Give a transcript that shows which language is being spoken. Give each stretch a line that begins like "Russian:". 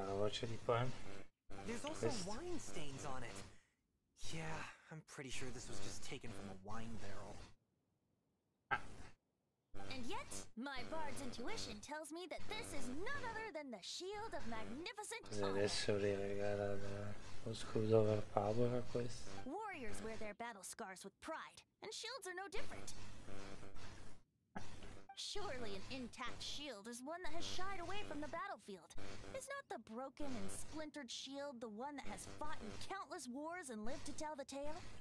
Italian: faccia di pane.
English: There's also wine stains on it. Yeah, I'm pretty sure this was just taken from a wine barrel. And yet, my bard's intuition tells me that this is none other than the shield of magnificent.
Italian: Adesso regala lo scudo per paura questo.
English: Warriors wear their battle scars with pride, and shields are no different. Surely an intact shield is one that has shied away from the battlefield. Is not the broken and splintered shield the one that has fought in countless wars and lived to tell the tale?